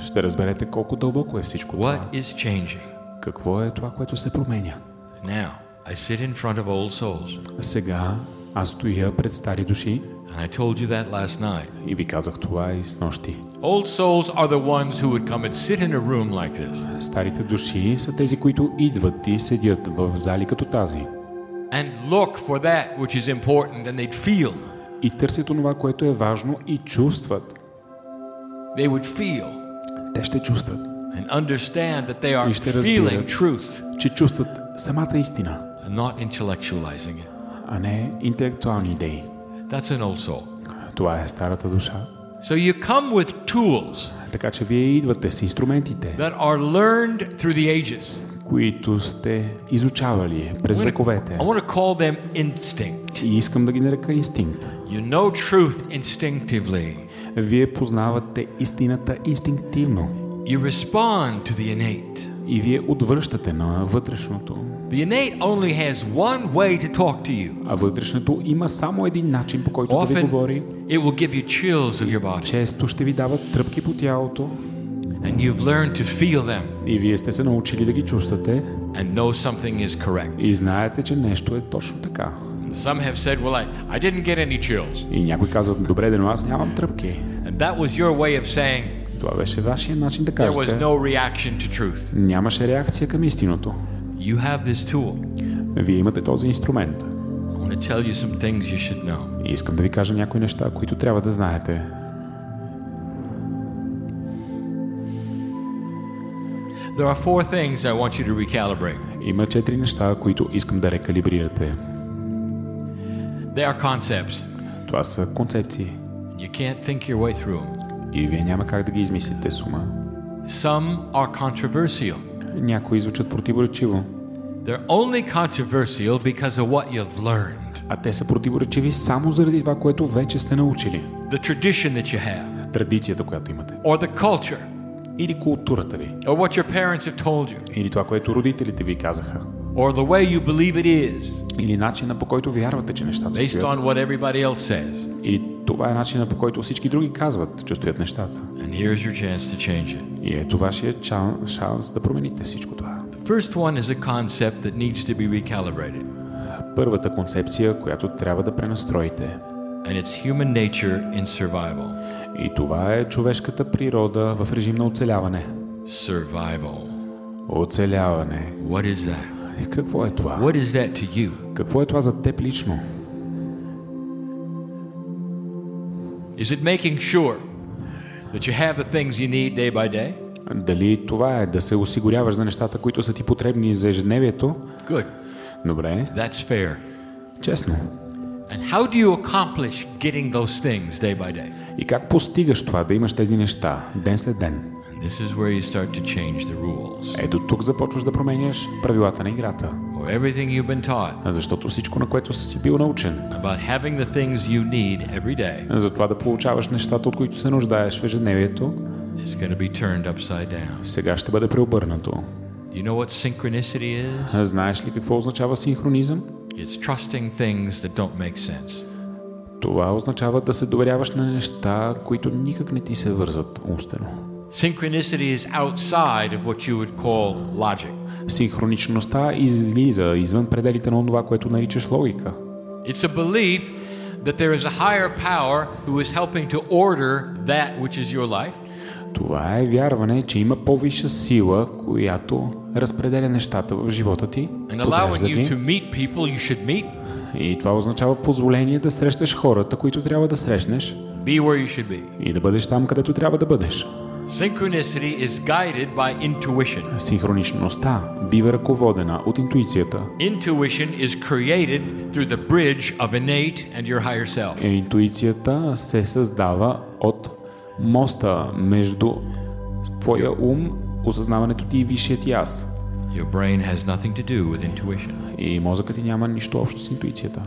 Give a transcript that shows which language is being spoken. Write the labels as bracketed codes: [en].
[bg] Ще разберете колко дълбоко е всичко [en] what What is changing? [bg] Какво е това, което се променя? [en] Now, I sit in front of old souls. [bg] Сега аз стоя пред стари души. [en] And I told you that last night. [bg] И ви казах това и снощи. [en] Old souls are the ones who would come and sit in a room like this. [bg] Старите души са тези, които идват и седят в зали като тази. [en] And look for that which is important and they'd feel. [bg] И търсят онова, което е важно и чувстват. [en] They would feel. [bg] Те ще чувстват. [en] And understand that they are feeling truth, [bg] че чувстват самата истина, [en] and not intellectualizing it. [bg] А не интелектуални идеи. [en] That's an old soul. [bg] Това е старата душа. [en] So you come with tools, [bg] така че вие идвате с инструментите, [en] that are learned through the ages, [bg] които сте изучавали през вековете. [en] I want to call them instinct. [bg] И искам да ги нарека инстинкт. [en] You know truth instinctively. [bg] Вие познавате истината инстинктивно. [en] You respond to the innate. [bg] И вие отвръщате на вътрешното. [en] The innate only has one way to talk to you. [bg] А вътрешното има само един начин, по който да ви говори. [en] It will give you chills of your body. [bg] Често ще ви дава тръпки по тялото. [en] And you've learned to feel them. [bg] И вие сте се научили да ги чувствате. [en] And know something is correct. [bg] И знаете, че нещо е точно така. [en] Some have said, "Well, I didn't get any chills." [bg] И някои казват: "Добре, но аз нямам тръпки." [en] And that was your way of saying. [bg] Това беше вашия начин да кажете. [en] There was no reaction to truth. [bg] Нямаше реакция към истиното. [en] You have this tool. [bg] Вие имате този инструмент. [en] I want to tell you some things you should know. [bg] И искам да ви кажа някои неща, които трябва да знаете. [en] There are four things I want you to recalibrate. [bg] Има четири неща, които искам да рекалибрирате. [en] They are concepts. [bg] Това са концепции. [en] You can't think your way through them. [bg] И вие няма как да ги измислите с ума. [en] Some are controversial. [bg] Някои звучат противоречиво. [en] They're only controversial because of what you've learned. [bg] А те са противоречиви само заради това, което вече сте научили. [en] The tradition that you have. [bg] Традицията, която имате. [en] Or the culture. [bg] Или културата ви. [en] Or what your parents have told you. [bg] Или това, което родителите ви казаха. [en] Or the way you believe it is. [bg] Или начина, по който вярвате, че нещата стоят. [en] Based on what everybody else says. [bg] Или това е начина, по който всички други казват, че стоят нещата. [en] And here's your chance to change it. [bg] И ето вашия шанс да промените всичко това. [en] The first one is a concept that needs to be recalibrated. [bg] Първата концепция, която трябва да пренастроите. [en] And it's human nature in survival. [bg] И това е човешката природа в режим на оцеляване. [en] Survival. [bg] Оцеляване. [en] What is that? [bg] И какво е това? [en] What is that to you? [bg] Какво е това за теб лично? [en] Is it making sure that you have the things you need day by day? [bg] Дали това е да се осигуряваш за нещата, които са ти потребни за ежедневието? [en] Good. [bg] Добре. [en] That's fair. [bg] Честно. [en] And how do you accomplish getting those things day by day? [bg] И как постигаш това да имаш тези неща ден след ден? [en] This is where you start to change the rules. [bg] Ето тук започваш да променяш правилата на играта. [en] Everything you've been taught. [bg] Защото всичко, на което си бил научен. [en] About having the things you need every day. [bg] За това да получаваш нещата, от които се нуждаеш в ежедневието. [en] It's going to be turned upside down. [bg] Сега ще бъде преобърнато. [en] You know what synchronicity is? [bg] Знаеш ли какво означава синхронизъм? [en] It's trusting things that don't make sense. [bg] Това означава да се доверяваш на неща, които никак не ти се вързват умствено. [en] Synchronicity is outside of what you would call logic. [bg] Синхроничността излиза извън пределите на това, което наричаш логика. [en] It's a belief that there is a higher power who is helping to order that which is your life. [bg] Това е вярване, че има по-висша сила, която разпределя нещата в живота ти. [en] And allowing you to meet people you should meet. [bg] И това означава позволение да срещнеш хората, които трябва да срещнеш. [en] Be where you should be. [bg] И да бъдеш там, където трябва да бъдеш. [en] Synchronicity is guided by intuition. [bg] Синхроничността бива ръководена от интуицията. [en] Intuition is created through the bridge of innate and your higher self. [bg] Интуицията се създава от моста между твоя ум, осъзнаването ти и висшият ти аз. [en] Your brain has nothing to do with intuition. [bg] И мозъкът ти няма нищо общо с интуицията.